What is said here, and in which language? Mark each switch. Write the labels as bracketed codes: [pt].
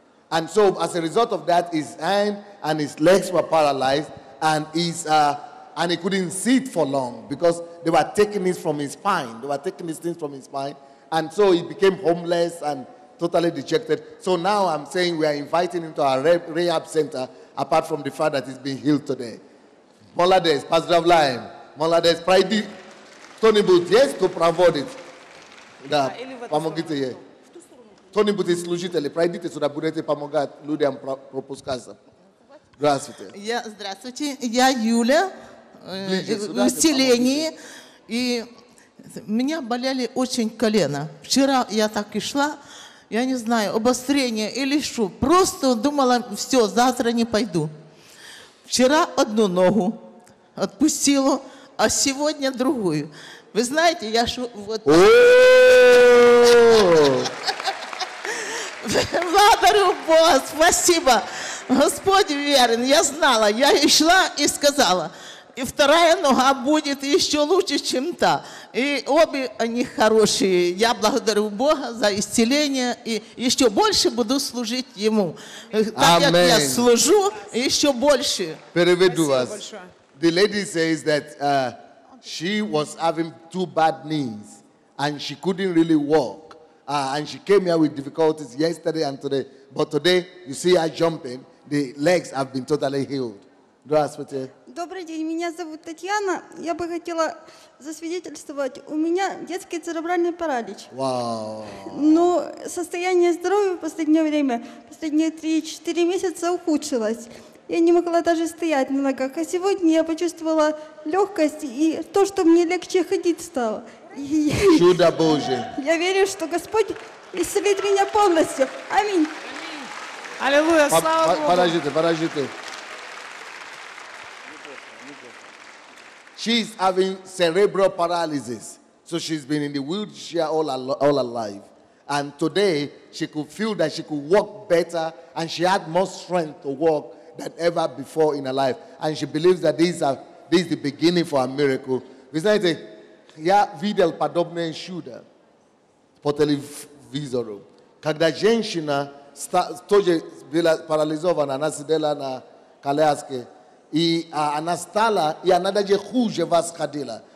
[en] And so as a result of that, his hand and his legs were paralyzed, and his, and he couldn't sit for long because they were taking this from his spine. They were taking these things from his spine. And so he became homeless and totally dejected. So now I'm saying we are inviting him to our rehab center, apart from the fact that he's been healed today. [ru] Молодец, поздравляем. Молодец, пройди. Кто-нибудь есть, кто проводит? Да, помогите ей. Кто-нибудь из служителей, пройдите сюда, будете помогать людям пропускаться. Здравствуйте. Здравствуйте, я Юля, в усилении. И у меня болели очень колено. Вчера я так и шла. Я не знаю, обострение или что. Просто думала, все, завтра не пойду. Вчера одну ногу отпустила, а сегодня другую. Вы знаете, я шу, вот... Благодарю Бога, спасибо. Господь верен, я знала, я и шла, и сказала. И вторая нога будет еще лучше, чем та. И обе они хорошие. Я благодарю Бога за исцеление. И еще больше буду служить Ему. Так, Amen. Как я служу, еще больше. Переведу вас. [en] The lady says that she was having two bad knees. And she couldn't really walk. And she came here with difficulties yesterday and today. But today, you see her jumping. The legs have been totally healed. [ru] Здравствуйте. Добрый день, меня зовут Татьяна. Я бы хотела засвидетельствовать, у меня детский церебральный паралич. [en] Wow. [ru] Но состояние здоровья в последнее время, последние 3-4 месяца ухудшилось. Я не могла даже стоять на ногах. А сегодня я почувствовала легкость и то, что мне легче ходить стало. Чудо Божие. Я верю, что Господь исцелит меня полностью. Аминь. Аминь. Аллилуйя, слава Богу. Подождите, подождите. [en] She's having cerebral paralysis. So she's been in the wheelchair all her life. And today, she could feel that she could walk better and she had more strength to walk than ever before in her life. And she believes that this is the beginning for a miracle. [ru] Вы знаете, я видел подобные чудо по телевизору. Когда женщина тоже была парализована, она сидела на коляске, и она стала, и она даже хуже вас ходила.